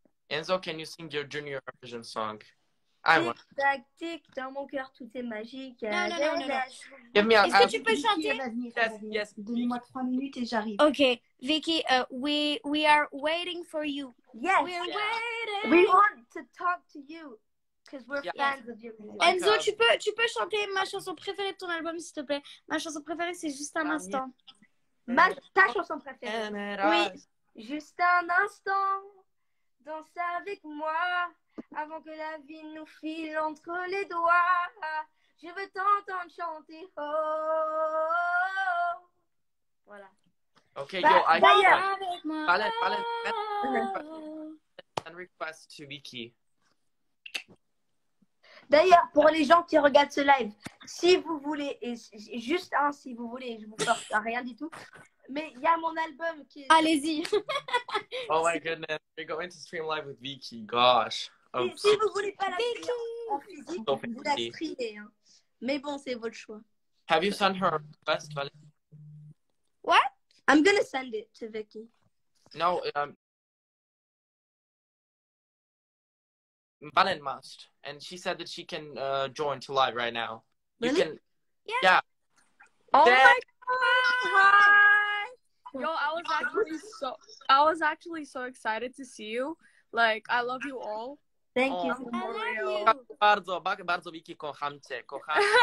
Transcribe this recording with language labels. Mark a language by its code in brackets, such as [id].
[en] Enzo, can you sing your junior version song? [fr] Tic-tac, tic, dans mon cœur, tout est magique. Non, non, non, non. [en] Give me [fr] est-ce que tu peux chanter? [en] Yes. [fr] Donne-moi 3 minutes et j'arrive. [en] Ok, Vicky, we are waiting for you. Yes. We're waiting. We want to talk to you, because we're fans of your music. [fr] Enzo, tu peux chanter ma chanson préférée de ton album, s'il te plaît. Ma chanson préférée, c'est juste un instant. Ta chanson préférée? Oui. Juste un instant, danse avec moi. Avant que la vie nous file entre les doigts, je veux t'entendre chanter. Oh, voilà. [en] Ok, yo, I got it. Valen, request to Vicky. [fr] D'ailleurs, pour les gens qui regardent ce live, si vous voulez, et juste un si vous voulez, je vous force à rien du tout. Mais il y a mon album qui est. Allez-y. [en] Oh my goodness, we're going to stream live with Vicky. Gosh. [fr] Si vous voulez pas la streamer en physique, vous la streamez. Hein. Mais bon, c'est votre choix. [en] Have you sent her request, Valen? What? I'm gonna send it to Vicky. No, Valen must. And she said that she can join to live right now. Really? You can... yeah. Yeah. Oh then... my god! Hi! Yo, I was actually so excited to see you. Like, I love you all. Thank you. Oh, I love you. [pl] Bardzo, bardzo, Vicky, kocham cię, kocham.